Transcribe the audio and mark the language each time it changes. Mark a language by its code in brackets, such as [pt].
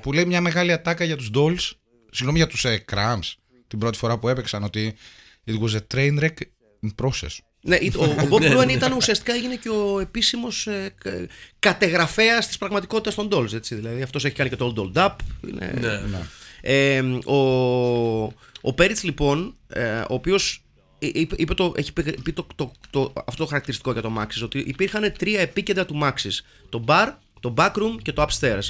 [el] Που λέει μια μεγάλη ατάκα για τους Dolls. Συγγνώμη για τους Cramps. Την πρώτη φορά που έπαιξαν ότι. [en] It was a train wreck in process. [el] Ναι, ο Μπομπ Γκρουν ήταν ουσιαστικά έγινε και ο επίσημος κατεγραφέας της πραγματικότητας των Dolls. Έτσι, δηλαδή αυτός έχει κάνει και το All Dolled Up. Είναι... Ναι. Ο Peretz λοιπόν, ο οποίος είπε το, έχει πει αυτό το χαρακτηριστικό για το Maxis, ότι υπήρχαν τρία επίκεντρα του Maxis: το bar, το backroom και το upstairs.